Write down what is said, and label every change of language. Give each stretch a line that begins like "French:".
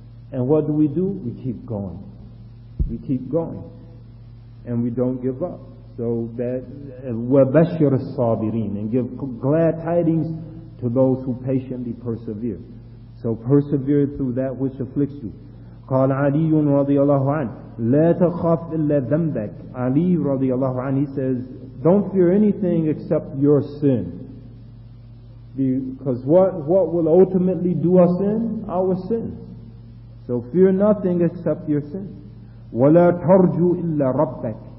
English: And what do? We keep going. We keep going. And we don't give up. So that
Arabic: وَبَشِّرْ الصَّابِرِينَ.
English: And give glad tidings to those who patiently persevere. So persevere through that which afflicts you.
Arabic: قال علي رضي الله عنه لا تخاف إلا ذنبك.
English: Ali رضي الله عنه, he says, don't fear anything except your sin. Because what will ultimately do us in? Our sins. So fear nothing except your sin.
Arabic: وَلَا تَرْجُوا إِلَّا رَبَّكَ.